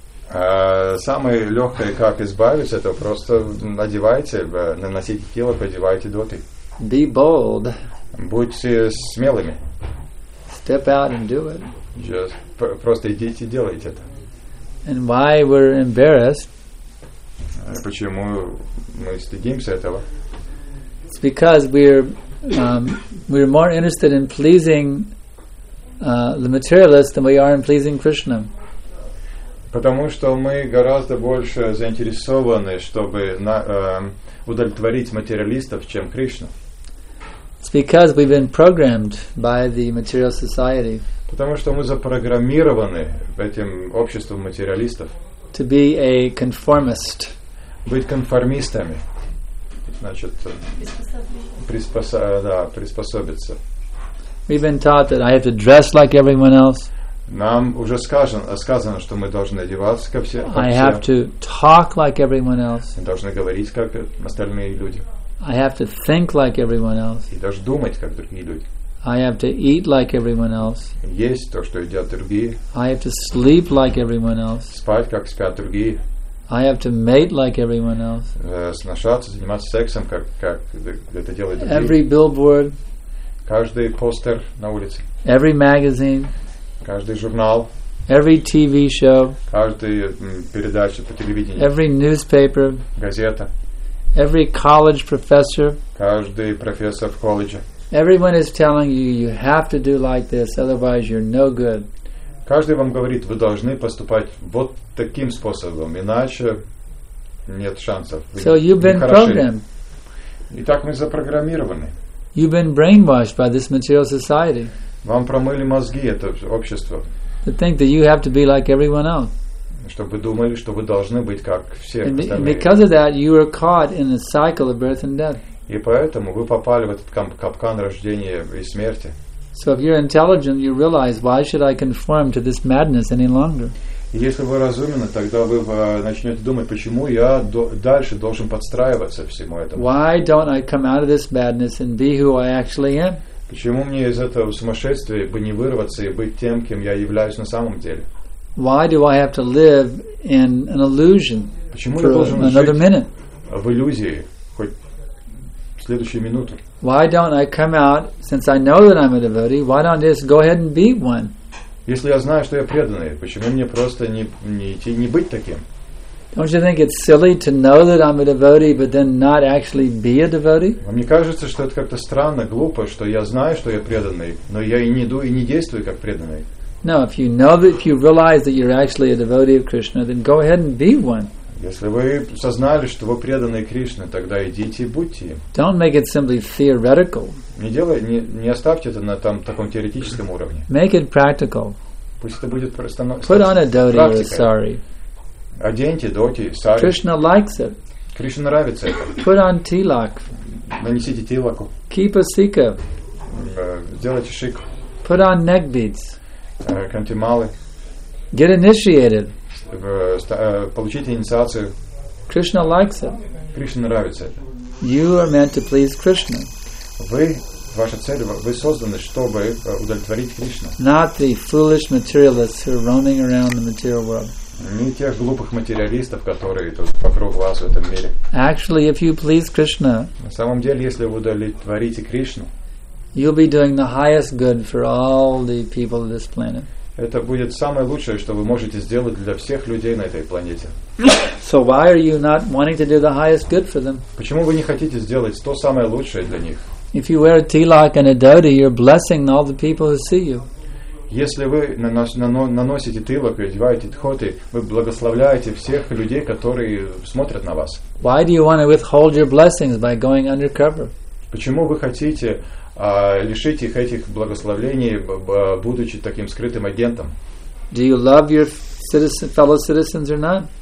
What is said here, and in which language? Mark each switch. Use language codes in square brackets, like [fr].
[ru] Самое легкое, как избавиться, это просто надевайте, наносите тело, одевайте доты. [en] Be bold. [ru] Будьте смелыми. [en] Step out and do it. [ru] Just просто идите и делайте это. [en] And why we're embarrassed? [ru] Почему мы стыдимся этого? [en] It's because we're more interested in pleasing the materialist than we are in pleasing Krishna. [ru] Потому что мы гораздо больше заинтересованы, чтобы удовлетворить материалистов, чем Кришну. [en] It's because we've been programmed by the material society. [ru] Потому что мы запрограммированы этим обществом материалистов. [en] To be a conformist. [ru] Быть конформистами. Значит, приспособиться. [en] We've been taught that I have to dress like everyone else. [ru] Нам уже сказано, что мы должны одеваться как все. [en] I have to talk like everyone else. [ru] Мы должны говорить как остальные люди. [en] I have to think like everyone else. [ru] И даже думать как другие люди. [en] I have to eat like everyone else. [ru] Есть то, что едят другие. [en] I have to sleep like everyone else. [ru] Спать как спят другие. [en] I have to mate like everyone else. [ru] Сношаться, заниматься сексом как это делают другие. [en] Every billboard. [ru] Каждый постер на улице. [en] Every magazine. [ru] Каждый журнал. [en] Every TV show. [ru] Каждая передача по телевидению. [en] Every newspaper. [ru] Газета. [en] Every college professor. [ru] Каждый профессор в колледже. [en] Everyone is telling you you have to do like this, otherwise you're no good. [ru] Каждый вам говорит, вы должны поступать вот таким способом, иначе нет шансов. [en] So you've been programmed. [ru] Итак, мы запрограммированы. [en] You've been brainwashed by this material society. [ru] Вам промыли мозги это общество. [en] To think that you have to be like everyone else. [ru] Чтобы думали, что вы должны быть как все остальные. [en] And because of that, you are caught in a cycle of birth and death. [ru] И поэтому вы попали в этот капкан рождения и смерти. [en] So if you're intelligent, you realize why should I conform to this madness any longer? [ru] Если вы разумны, тогда вы начнете думать, почему я дальше должен подстраиваться всему этому. [en] Why don't I come out of this madness and be who I actually am? [ru] Почему мне из этого сумасшествия бы не вырваться и быть тем, кем я являюсь на самом деле? [en] Why do I have to live in an illusion? [ru] Почему [en] for [ru] я должен [en] another [ru] жить [en] minute? [ru] В иллюзии хоть следующую минуту? [en] Why don't I come out, since I know that I'm a devotee, why don't I just go ahead and be one? [ru] Если я знаю, что я преданный, почему мне просто не быть таким? [en] Don't you think it's silly to know that I'm a devotee, but then not actually be a devotee? [ru] Вам не кажется, что это как-то странно, глупо, что я знаю, что я преданный, но я и не иду и не действую как преданный? [en] No, if you know that, if you realize that you're actually a devotee of Krishna, then go ahead and be one. [ru] Если вы сознали, что вы преданные Кришне, тогда идите и будьте им. [en] Don't make it simply theoretical. [ru] Не оставьте это на там таком теоретическом уровне. [en] Make it practical. [ru] Пусть это будет просто. [en] Put on a dhoti or sari. [ru] Оденьте dhoti, sari. [en] Krishna likes it. [ru] Кришне нравится это. [en] Put on tilak. [ru] Нанесите тилаку. [en] Keep a sika. [ru] Сделайте шик. [en] Put on neck beads. [ru] Кантималы. [en] Get initiated. [ru] Получите инициацию. [en] Krishna likes it. [ru] Кришне нравится это. [en] You are meant to please Krishna. [ru] Вы, ваша цель, вы созданы, чтобы удовлетворить Кришну. [en] Not the foolish materialists who are roaming around the material world. [ru] Не тех глупых материалистов, которые тут вокруг вас в этом мире. [en] Actually, if you please Krishna, [ru] на самом деле, если вы удовлетворите Кришну, [en] you'll be doing the highest good for all the people of this planet. [ru] Это будет самое лучшее, что вы можете сделать для всех людей на этой планете. [en] So why are you not wanting to do the highest good for them? [ru] Почему вы не хотите сделать то самое лучшее для них? [en] If you wear a tilak and a dhoti, you're blessing all the people who see you. [ru] Если вы наносите тилак и одеваете дхоти, вы благословляете всех людей, которые смотрят на вас. [en] Why do you want to withhold your blessings by going undercover? [ru] Почему вы хотите лишить их этих благословений, будучи таким скрытым агентом? [en] Do you love your fellow citizens or not?